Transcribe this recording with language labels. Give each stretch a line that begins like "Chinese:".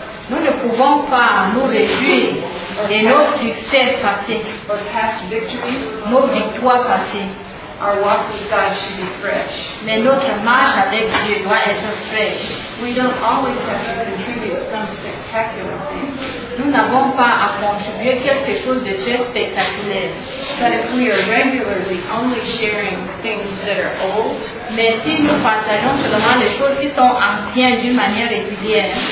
French: Nous ne pouvons pas nous réjouir de nos succès passés,
English: or past victories,
French: nos victoires passées.
English: Our walk with God should be fresh.
French: Mais notre marche avec Dieu doit être fraîche.
English: We don't always have to contribute some spectacular thing.
French: Nous n'avons pas à contribuer quelque chose de très spectaculaire.
English: But if we are regularly only sharing things that are old,
French: mais si nous partageons seulement les choses qui sont anciennes d'une manière régulière,